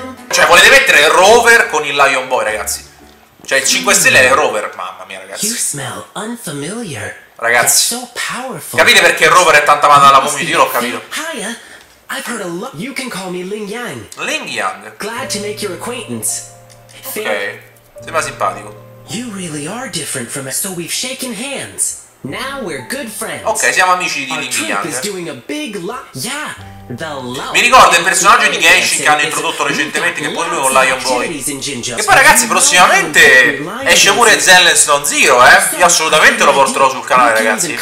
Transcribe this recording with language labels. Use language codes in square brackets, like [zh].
[it] Cioè, volete mettere il Rover con il Lion Boy, ragazzi? Cioè, il 5 stelle è Rover. Mamma mia, ragazzi. [en] You smell unfamiliar. [it] Ragazzi, capite perché il Rover è tanta amato dalla community? Io l'ho capito. [en] I've heard a lot. You can call me Ling Yang. Ling Yang. Glad to make your acquaintance. Okay. [it] Sembra simpatico. [en] You really are different from us, so we've shaken hands. Now we're good friends. [it] Ok, siamo amici di Ling Yang. [en] Is doing a big yeah, [it] the mi ricorda il personaggio di Genshin che hanno introdotto recentemente, che poi lui con Lion Boy. E poi ragazzi, prossimamente esce pure Zenless Zone Zero, eh. Io assolutamente lo porterò sul canale, ragazzi.